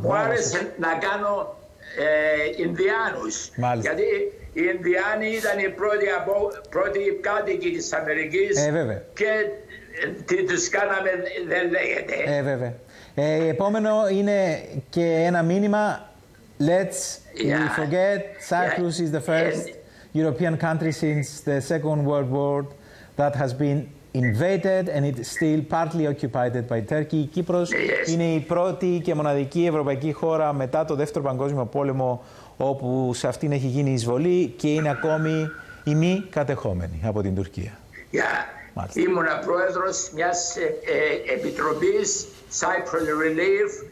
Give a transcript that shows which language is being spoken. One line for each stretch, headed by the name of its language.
Greek: Μου άρεσε να κάνω Ινδιάνους. Μάλιστα. Γιατί οι Ινδιάνοι ήταν οι πρώτοι κάτοικοι της Αμερικής. Βέβαια. Και τι τους κάναμε δεν λέγεται. Βέβαια. Επόμενο είναι και ένα μήνυμα.
English: Let's forget Cyprus is the first European country since the Second World War that has been invaded and it's still partly occupied by Turkey.
Greek: Η Κύπρος είναι η πρώτη και μοναδική ευρωπαϊκή χώρα μετά το Δεύτερο Παγκόσμιο Πόλεμο όπου σε αυτήν έχει γίνει εισβολή και είναι ακόμη η μη κατεχόμενη από την Τουρκία. Μάλιστα. Ήμουνα πρόεδρος μιας επιτροπής Cyprus Relief.